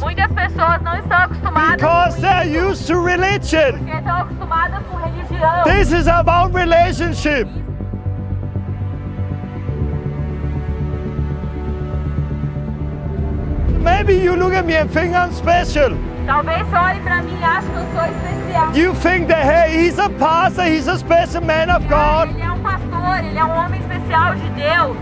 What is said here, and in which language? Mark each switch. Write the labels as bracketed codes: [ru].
[pt] Muitas pessoas não estão acostumadas. [en] Because they're used to religion. [pt] Porque estão acostumadas com religião. [en] This is about relationship. Maybe you look at me and think I'm special. [pt] Talvez olhe para mim e ache que eu sou especial. [en] You think that, hey, he's a pastor, he's a special man of God. [pt] Ele é um pastor, ele é um homem especial de Deus.